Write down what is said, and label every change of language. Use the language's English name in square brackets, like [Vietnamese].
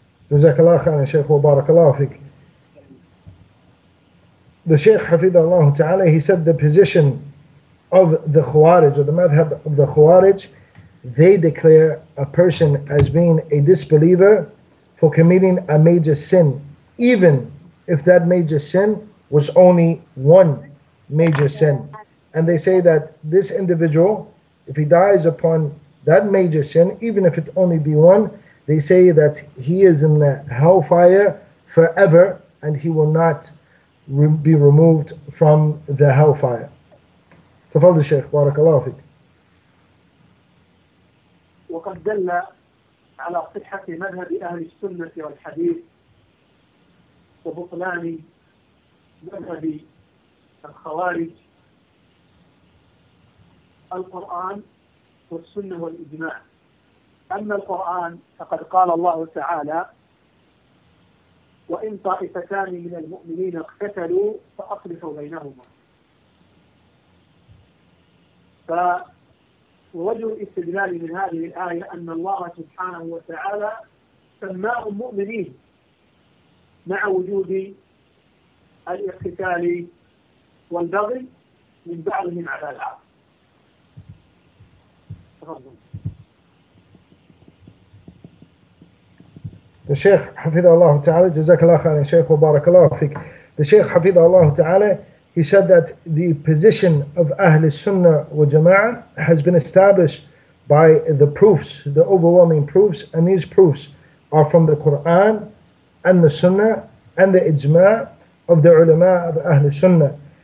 [Arabic] جزاك الله خير يا شيخ وبارك الله فيك. [English] The Shaykh Hafidha Allah Ta'ala, he said the position of the Khawarij, or the madhab of the Khawarij, they declare a person as being a disbeliever for committing a major sin, even if that major sin was only one major sin. And they say that this individual, if he dies upon that major sin, even if it only be one, they say that he is in the hellfire forever, and he will not be removed from the hellfire. [Arabic] تفضل الشيخ بارك الله فيك. وقد دل على صحة مذهب أهل السنة والحديث وبطلان مذهب الخوارج القرآن والسنة والإجماع. أما القرآن فقد قال الله تعالى وإن طائفتان من المؤمنين اقتتلوا فأصلحوا بينهما. فوجه الاستدلال من هذه الآية أن الله سبحانه وتعالى سماهم مؤمنين مع وجود الاقتتال والبغي من بعضهم على العرب. تفضل. الشيخ حفظه الله تعالى, جزاك الله خير شيخ وبارك الله فيك. [English] The Sheikh [Arabic] حفظه الله تعالى, [English] he said that the position of Ahl Sunnah wa Jama'ah has been established by the proofs, the overwhelming proofs, and these proofs are from the Quran and the Sunnah and the Ijma' of the ulama of Ahl Sunnah.